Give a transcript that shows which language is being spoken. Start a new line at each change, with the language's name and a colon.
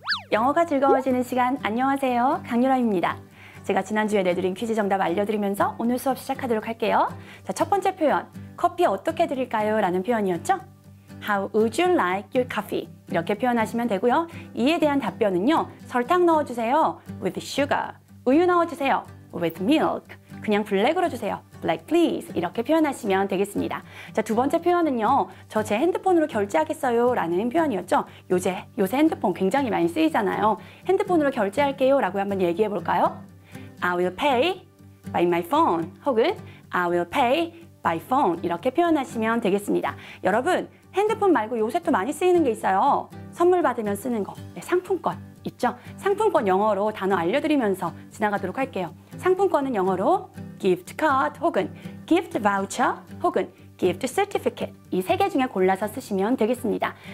Korean: 영어가 즐거워지는 시간 안녕하세요. 강유라입니다. 제가 지난주에 내드린 퀴즈 정답 알려드리면서 오늘 수업 시작하도록 할게요. 자, 첫 번째 표현, 커피 어떻게 드릴까요? 라는 표현이었죠?
English: How would you like your coffee?
Korean: 이렇게 표현하시면 되고요. 이에 대한 답변은요. 설탕 넣어주세요.
English: With sugar.
Korean: 우유 넣어주세요.
English: With milk.
Korean: 그냥 블랙으로 주세요.
English: Black please.
Korean: 이렇게 표현하시면 되겠습니다. 자, 두 번째 표현은요. 저 제 핸드폰으로 결제하겠어요. 라는 표현이었죠. 요새 핸드폰 굉장히 많이 쓰이잖아요. 핸드폰으로 결제할게요. 라고 한번 얘기해 볼까요?
English: I will pay by my phone.
Korean: 혹은
English: I will pay by phone.
Korean: 이렇게 표현하시면 되겠습니다. 여러분, 핸드폰 말고 요새 또 많이 쓰이는 게 있어요. 선물 받으면 쓰는 거. 네, 상품권. 있죠? 상품권 영어로 단어 알려드리면서 지나가도록 할게요. 상품권은 영어로 gift card 혹은 gift voucher 혹은 gift certificate 이 세 개 중에 골라서 쓰시면 되겠습니다.